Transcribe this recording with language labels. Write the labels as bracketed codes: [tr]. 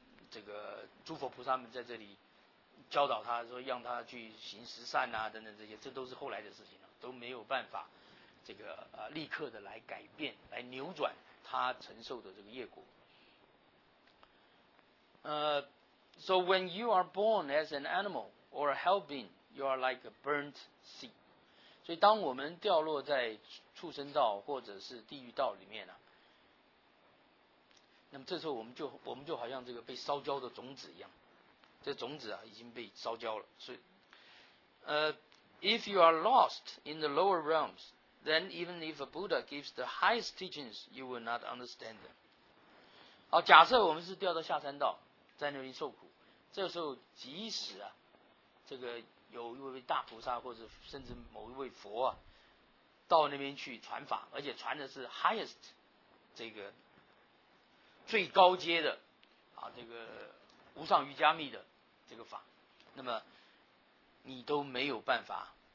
[zh] 这个诸佛菩萨们在这里教导他说，让他去行十善啊等等，这些这都是后来的事情了，都没有办法这个立刻的来改变，来扭转他承受的这个业果。 [en] So when you are born as an animal or a hell being, you are like a burnt seed. [zh] 所以当我们掉落在畜生道或者是地狱道里面呢、啊，那么这时候我们就好像这个被烧焦的种子一样。这种子啊已经被烧焦了，所以 [en] if you are lost in the lower realms, then even if a Buddha gives the highest teachings, you will not understand them. [zh] 好，假设我们是掉到下三道，在那里受苦，这个时候即使啊这个有一位大菩萨或者甚至某一位佛啊到那边去传法，而且传的是 highest 这个最高阶的啊这个无上瑜伽密的这个法，那么你都没有办法